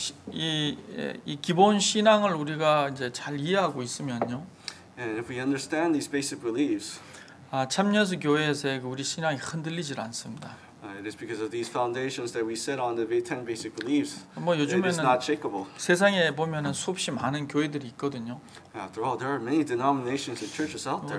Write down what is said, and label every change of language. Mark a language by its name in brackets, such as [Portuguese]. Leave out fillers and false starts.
[Korean] 이 기본 신앙을 우리가 이제 잘 이해하고 있으면요. [English] And if we understand these basic beliefs, [Korean] 참여수 교회에서의 그 우리 신앙이 흔들리질 않습니다. [English] It is because of these foundations that we set on the 10 basic beliefs. [Korean] 뭐 요즘에는 세상에 보면은 수없이 많은 교회들이 있거든요. [English] After all, there are many denominations and churches out there.